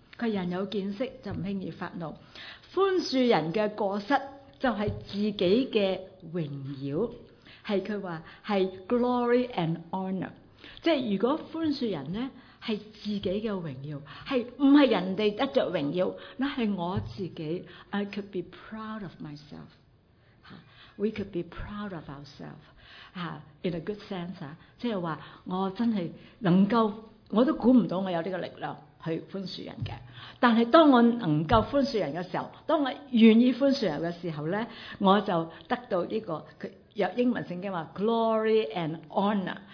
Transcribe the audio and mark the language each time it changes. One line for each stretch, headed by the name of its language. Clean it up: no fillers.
Chinese: 他人有见识就不轻易发怒，宽恕人的过失就是自己的荣耀，是他说是
English: glory and honor。
Chinese: 即如果宽恕人呢，是自己的荣耀，是不是人家得着荣耀，那是我自己。
English: I could be proud of myself， We could be proud of ourselves in a good sense。
Chinese: 即是说我真的能够，我都估不到我有这个力量去宽恕人的，但是当我能够宽恕人的时候，当我愿意宽恕人的时候，我就得到这个，有英文圣经说
English: glory and honor。